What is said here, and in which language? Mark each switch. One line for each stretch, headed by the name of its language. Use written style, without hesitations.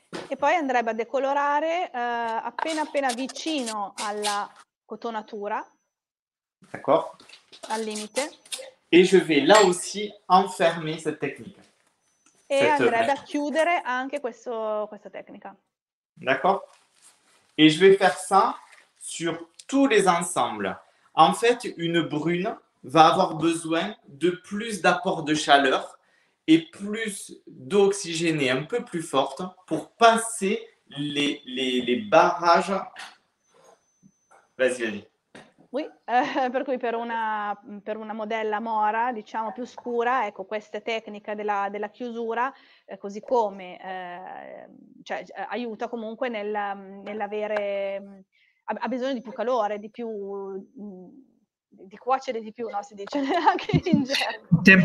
Italian: E poi andrebbe a decolorare appena appena vicino alla cotonatura.
French: D'accord.
Italian: Al limite.
French: Et je vais là aussi enfermer cette technique.
Italian: E andrebbe a chiudere anche questa tecnica.
French: D'accord. Et je vais faire ça sur tous les ensembles. En fait, une brune va avoir besoin de plus d'apport de chaleur et plus d'oxygéné un peu plus forte pour passer les barrages. Vas-y.
Italian: Oui, per cui per una modella mora, diciamo più scura, ecco, questa tecnica della chiusura, così come cioè, aiuta comunque nell'avere, ha bisogno di più calore, di più, di cuocere di più, no, si dice anche in gergo.